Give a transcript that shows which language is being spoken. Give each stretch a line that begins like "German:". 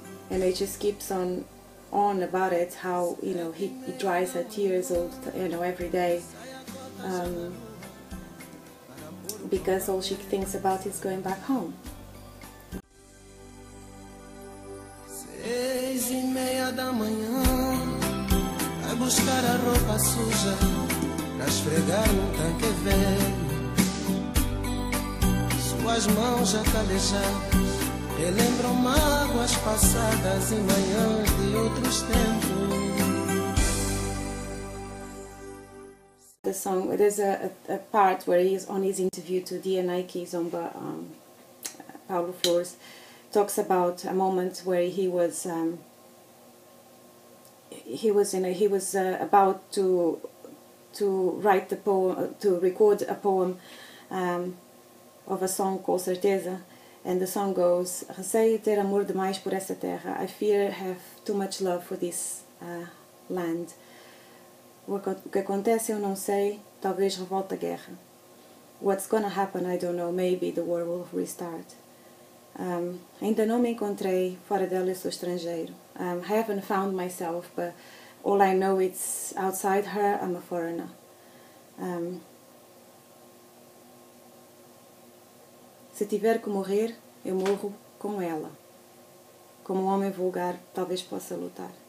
English: And he just keeps on about it, how, you know, he dries her tears all, you know, every day. Because all she thinks about is going back home.
Portuguese: Seis e meia da manhã, vai buscar a roupa suja. Pra esfregar um tanque velho, suas mãos já calejadas relembram mágoas passadas e manhãs de outros tempos.
English: The song, there's a part where he is on his interview to DNA Kizomba, Paulo Flores, talks about a moment where he was about to record a poem of a song called Certeza, and the song goes,
Portuguese: "Receio ter amor demais por essa terra.
English: I fear have too much love for this land.
Portuguese: O que acontece eu não sei, talvez revolta a guerra.
English: What's gonna happen, I don't know, maybe the war will restart.
Portuguese: Ainda não me encontrei, fora dela sou estrangeiro.
English: I haven't found myself, but all I know is outside her, I'm a foreigner.
Portuguese: Se tiver que morrer, eu morro como ela. Como homem vulgar, talvez possa lutar.